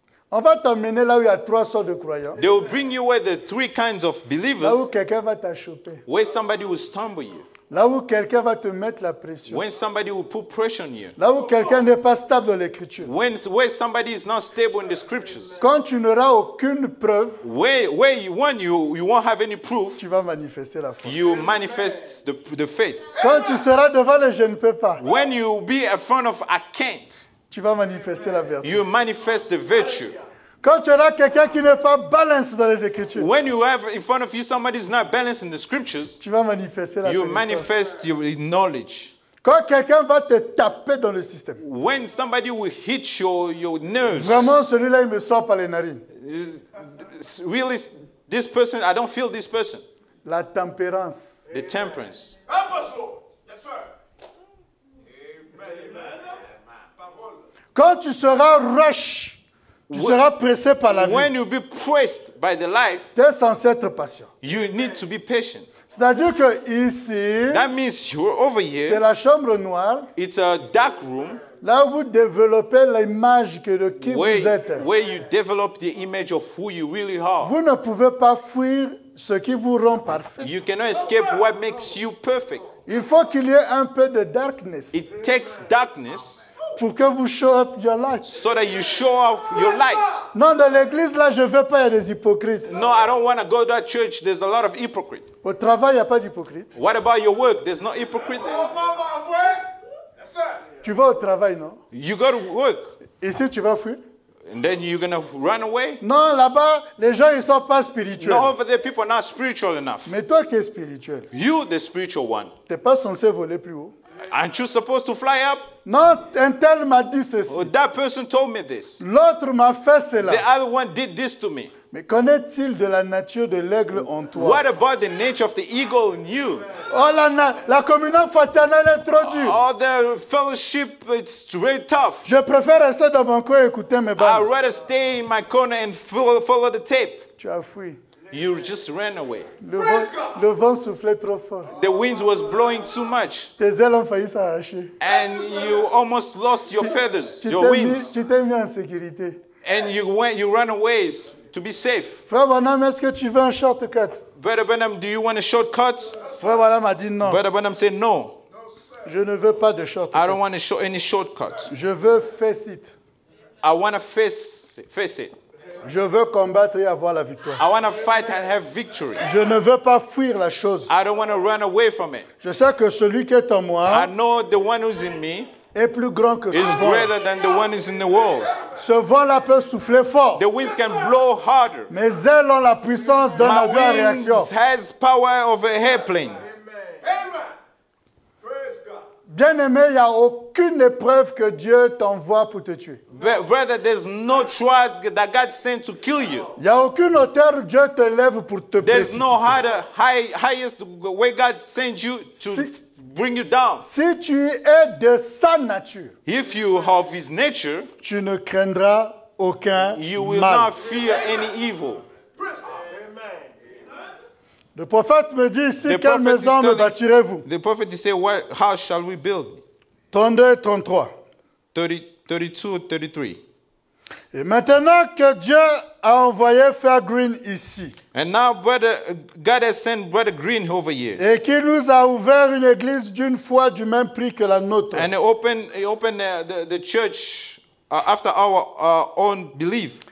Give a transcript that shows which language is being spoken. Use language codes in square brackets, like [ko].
[fr] On va t'emmener là où il y a trois sortes de croyants. [en] They will bring you where the three kinds of believers. [fr] Là où quelqu'un va t'achoper. [en] Where somebody will stumble you. [fr] Là où quelqu'un va te mettre la pression. [en] When somebody will put pressure on you. [fr] Là où quelqu'un n'est pas stable dans l'écriture. [en] Where somebody is not stable in the scriptures. [fr] Quand tu n'auras aucune preuve. [en] Where you want you won't have any proof. [fr] Tu vas manifester la foi. [en] You manifest the faith. [fr] Quand tu seras devant les je ne peux pas. [en] When you be in front of I can't. [fr] Tu vas manifester la vertu. [en] You manifest the virtue. [fr] Quand tu auras quelqu'un qui n'est pas balancé dans les écritures. [en] When you have in front of you somebody who's not balanced in the scriptures. [fr] Tu vas manifester la [en] vertu. You manifest your knowledge. [fr] Quand quelqu'un va te taper dans le système. [en] When somebody will hit your nerves. [fr] Vraiment celui-là il me sort par les narines. [en] Really this person I don't feel this person. [fr] La tempérance. [en] The temperance. [fr] Quand tu seras rush, tu seras pressé par la vie. [en] When you be pressed by the life, [fr] tu es censé être patient. [en] You need to be patient. [fr] C'est-à-dire que ici, [en] that means you're over here. [fr] C'est la chambre noire. [en] It's a dark room. [fr] Là où vous développez l'image de qui vous êtes. [en] Where you develop the image of who you really are. [fr] Vous ne pouvez pas fuir ce qui vous rend parfait. [en] You cannot escape what makes you perfect. [fr] Il faut qu'il y ait un peu de darkness. [en] It takes darkness. [fr] Pour que vous [en] show up your light. So that you show off your light. [fr] Non, dans l'église là, je veux pas, y a des hypocrites. [en] No, I don't want to go to that church. There's a lot of hypocrites. [fr] Au travail, y a pas d'hypocrites. [en] What about your work? There's no hypocrite there. Yes, [fr] tu vas au travail, non? [en] You go to work. [fr] Ici, tu vas fuir. [en] And then you're going to run away? [fr] Non, là-bas, les gens, ils sont pas spirituels. [en] No, over there, people are not spiritual enough. [fr] Mais toi qui es spirituel. [en] You, the spiritual one. [fr] T'es pas censé voler plus haut. [en] Aren't you supposed to fly up? [fr] Non, un tel m'a dit ceci. [en] Oh, that person told me this. [fr] L'autre m'a fait cela. [en] The other one did this to me. [fr] Mais connaît-il de la nature de l'aigle en toi? [en] What about the nature of the eagle in you? [fr] Oh, la communion fraternelle est trop dure. [en] Oh, the fellowship is really tough. [fr] Je préfère rester dans mon coin et écouter mes bandes. [en] I'd rather stay in my corner and follow the tape. [fr] Tu as fui. [en] You just ran away. [fr] Le vent soufflait trop fort. [en] The wind was blowing too much. [fr] Tes ailes ont failli s'arracher. [en] And you almost lost your feathers, your wings. [fr] Tu t'es mis en sécurité. [en] And you ran away to be safe. [fr] Frère Branham, est-ce que tu veux un shortcut? [en] Brother Branham, do you want a shortcut? [fr] Frère Branham a dit non. [en] Brother Branham said no. [fr] Je ne veux pas de shortcut. [en] I don't want any shortcut. [fr] Je veux [en] face it. I want to face it. [fr] Je veux combattre et avoir la victoire. [en] I want to fight and have victory. [fr] Je ne veux pas fuir la chose. [en] I don't want to run away from it. [fr] Je sais que celui qui est en moi [en] I know the one who's in me [fr] est plus grand que [en] is greater than the one is in the world. [fr] Ce vol peut souffler fort. [en] The winds can blow harder. [fr] Mes ailes ont la puissance d'un avion à réaction. [en] My wings has power of a airplane. [fr] Bien-aimé, il n'y a aucune épreuve que Dieu t'envoie pour te tuer. [en] But brother, there's no trials that God sent to kill you. [fr] Il n'y a aucune hauteur que Dieu te lève pour te blesser. [en] There's no higher, highest way God sent you to bring you down. [fr] Si tu es de sa nature, [en] if you have his nature, [fr] tu ne craindras aucun [en] you [fr] mal. [en] Will not fear any evil. [fr] Le prophète me dit ici, quelle maison me bâtirez-vous? [en] The prophet is saying, what, how shall we build? [fr] 32 et 33. 32 et 33. Et maintenant que Dieu a envoyé Frère Green ici. [en] And now brother, God has sent Brother Green over here. [fr] Et qu'il nous a ouvert une église d'une foi du même prix que la nôtre. [en] And he opened the church after our own belief.